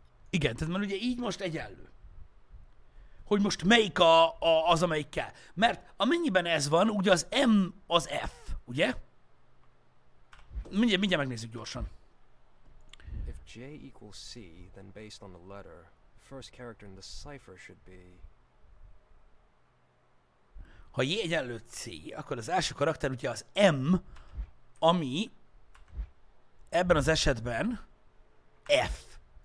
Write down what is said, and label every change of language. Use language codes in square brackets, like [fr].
[hu] Igen, tehát mert ugye így most egyenlő. Hogy most melyik az, amelyikkel. Mert amennyiben ez van, ugye az M az F, ugye? Mindjárt megnézzük gyorsan. [en] J equals C, then based on the letter, first character in the cipher should be... [hu] Ha J egyenlő C, akkor az első karakter ugye az M, ami ebben az esetben F.